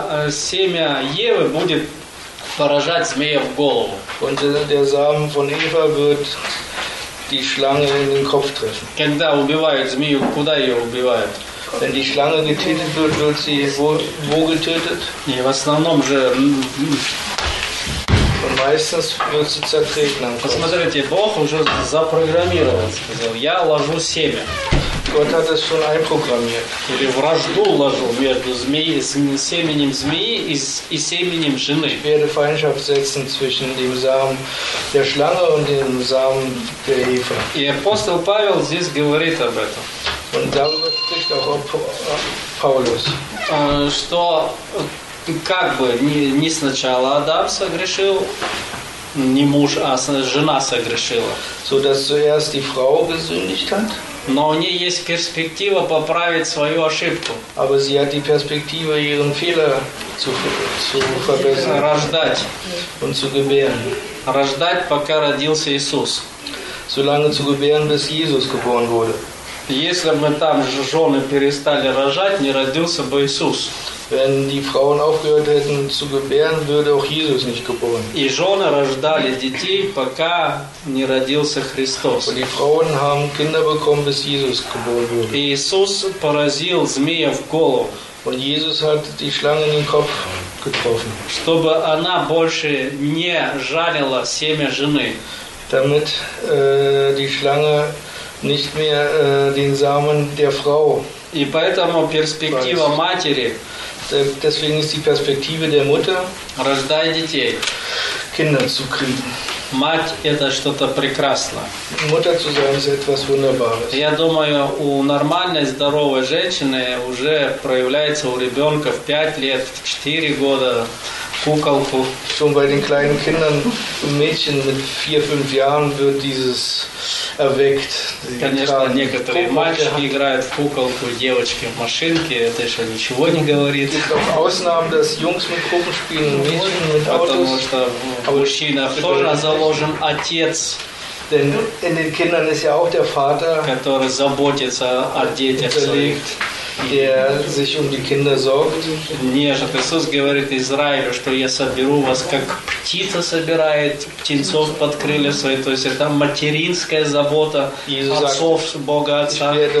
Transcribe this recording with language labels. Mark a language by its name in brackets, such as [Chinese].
[Russian] Семя Евы будет поражать змея в голову. [German] Und der Samen von Eva wird die Schlange in den Kopf treffen. [Russian] Когда убивают змею, куда ее убивают? [German] Wenn die Schlange getötet wird, wird sie wo getötet? Nee, was ist denn noch? Und meistens wird sie zertreten. [Russian] Посмотрите, Бог уже запрограммировал, сказал, я ложу семя. [German] Gott hat es schon einprogrammiert. [Russian] Или вражду ложу между семенем змеи и семенем жены. [German] Ich werde Feindschaft setzen zwischen dem Samen der Schlange und dem Samen der Eva. [Russian] И апостол Павел здесь говорит об этом. [German] Und darüber spricht auch Paulus. [Russian] Что как бы не сначала Адам согрешил, не муж, а жена согрешила. [German] So dass zuerst die Frau gesündigt hat. [Russian] Но у нее есть перспектива поправить свою ошибку. [German] Aber sie hat die Perspektive, ihren Fehler zu verbessern. [Russian] Рождать. [German] Und zu gebären. [Russian] Рождать, пока родился Иисус. [German] Solange zu gebären, bis Jesus geboren wurde. [Russian] Если бы там жены перестали рожать, не родился бы Иисус. [German] Wenn die Frauen aufgehört hätten zu gebären, würde auch Jesus nicht geboren. [Russian] И жены рождали детей, пока не родился Христос. [German] Und die Frauen haben Kinder bekommen, bis Jesus geboren wurde. [Russian] И Иисус поразил змея в голову. [German] Und Jesus hat die Schlange in den Kopf getroffen. [Russian] Чтобы она больше не жалила семя жены. [German] Damit die Schlange nicht mehr den Samen der Frau. [Russian] И поэтому перспектива матери. [German] Deswegen ist die Perspektive der Mutter. [Russian] Рождай детей. [German] Kinder zu kriegen. [Russian] Мать – это что-то прекрасное. [German] Mutter zu sein ist etwas Wunderbares. [Russian] Я думаю, у нормальной здоровой женщины уже проявляется у ребенка в 5 лет, в 4 года куколку. [German] Schon bei den kleinen Kindern, Mädchen mit 4-5 Jahren wird dieses erweckt. [Russian] Конечно, некоторые мальчики играют в куколку, девочки в машинке, это еще ничего не говорит. [German] Es gibt Ausnahmen, dass Jungs mit Puppen spielen, Mädchen mit Autos. [Russian] Потому что в мужчинах тоже заложен отец. [German] Denn in den Kindern ist ja auch der Vater, [Russian] который заботится о детях своих. [German] Der sich um die Kinder sorgt. [Russian] Нет, Иисус говорит Израилю, что я соберу вас, как птица собирает птенцов под крылья свои. То есть это материнская забота отцов, Бога Отца.